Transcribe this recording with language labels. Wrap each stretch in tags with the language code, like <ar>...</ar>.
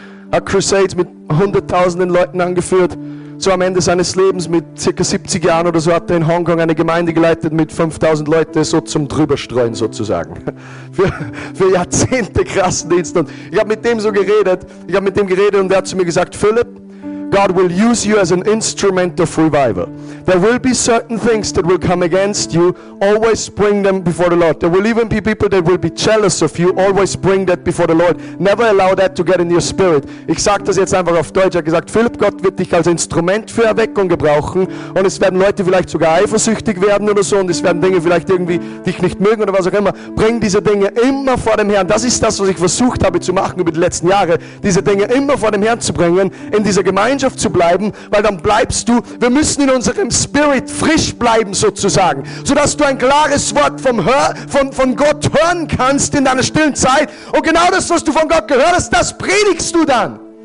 <de>Hat Crusades mit hunderttausenden Leuten angeführt. So am Ende seines Lebens mit circa 70 Jahren oder so hat er in Hongkong eine Gemeinde geleitet mit 5000 Leuten, so zum Drüberstreuen sozusagen. Für Jahrzehnte krassen Dienst. Und ich habe mit dem so geredet. Ich habe mit dem geredet und er hat zu mir gesagt, Philip,</de> <en>God will use you as an instrument of revival. There will be certain things that will come against you. Always bring them before the Lord. There will even be people that will be jealous of you. Always bring that before the Lord. Never allow that to get in your spirit.</en> <de>Ich sage das jetzt einfach auf Deutsch. Er hat gesagt, Philipp, Gott wird dich als Instrument für Erweckung gebrauchen. Und es werden Leute vielleicht sogar eifersüchtig werden oder so. Und es werden Dinge vielleicht irgendwie dich nicht mögen oder was auch immer. Bring diese Dinge immer vor dem Herrn. Das ist das, was ich versucht habe zu machen über die letzten Jahre. Diese Dinge immer vor dem Herrn zu bringen, in dieser Gemeinschaft zu bleiben, weil dann bleibst du, wir müssen in unserem Spirit frisch bleiben sozusagen, sodass du ein klares Wort von Gott hören kannst in deiner stillen Zeit und genau das, was du von Gott gehört hast, das predigst du dann.</de>